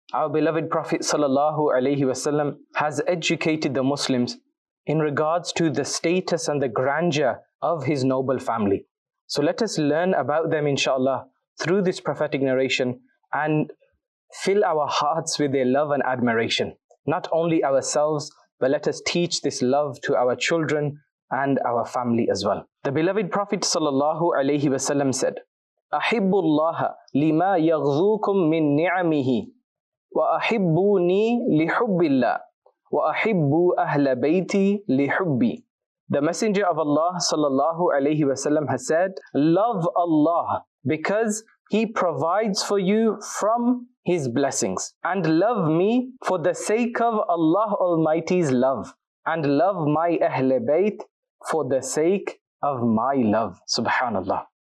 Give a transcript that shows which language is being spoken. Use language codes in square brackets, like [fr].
[en] Our beloved Prophet sallallahu alaihi wasallam has educated the Muslims in regards to the status and the grandeur of his noble family. So let us learn about them inshallah through this prophetic narration and fill our hearts with their love and admiration. Not only ourselves, but let us teach this love to our children and our family as well. The beloved Prophet sallallahu alaihi wasallam said, [ar] أَحِبُّ اللَّهَ لِمَا يَغْذُوكُم مِّن نِعَمِهِ وَأَحِبُّونِي لِحُبِّ اللَّهِ وَأَحِبُّ أَهْلَ بَيْتِي لِحُبِّي. [en] The Messenger of Allah sallallahu alaihi wasallam has said, love Allah because He provides for you from His blessings. And love me for the sake of Allah Almighty's love. And love my Ahle Bayt for the sake of my love. Subhanallah.